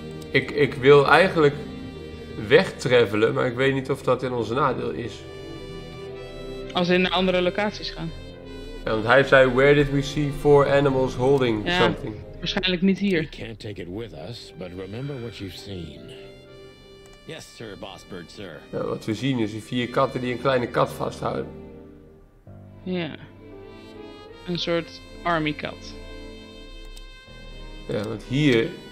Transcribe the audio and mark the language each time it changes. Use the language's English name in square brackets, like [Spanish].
[Dutch] Ik wil eigenlijk wegtravelen, maar ik weet niet of dat in ons nadeel is. Als we naar andere locaties gaan. Ja, want hij zei, [English] where did we see four animals holding [Dutch] ja, something? Waarschijnlijk niet hier. [English] We can't take it with us, but remember what you've seen. Yes, sir, boss bird, sir. [Dutch] Ja, wat we zien is die vier katten die een kleine kat vasthouden. Ja. Een soort [English] army cat. [Dutch] Ja, want hier...